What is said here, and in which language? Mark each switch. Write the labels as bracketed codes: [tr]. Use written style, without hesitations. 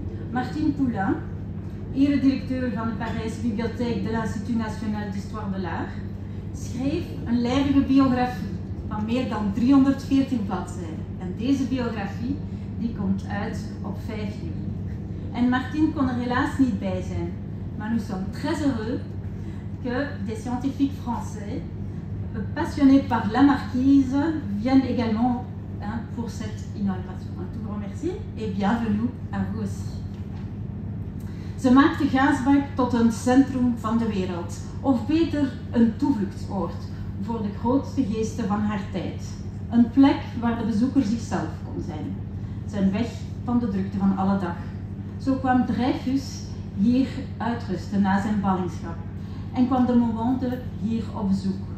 [nl] Martine Poulain, eredirecteur van de Parijse Bibliotheek de l'Institut National d'Histoire de l'Art, schreef een lijvige biografie van meer dan 314 bladzijden. En deze biografie die komt uit op 5 juli. En Martine kon er helaas niet bij zijn, maar [fr] nous sommes très heureux que des scientifiques français, passionnés par la marquise, viennent également pour cette inauguration. Un tout grand merci et bienvenue à vous aussi. [nl] Ze maakte Gaasbeek tot een centrum van de wereld, of beter een toevluchtsoord voor de grootste geesten van haar tijd. Een plek waar de bezoeker zichzelf kon zijn, zijn weg van de drukte van alle dag. Zo kwam Dreyfus hier uitrusten na zijn ballingschap en kwam de Movante hier op bezoek.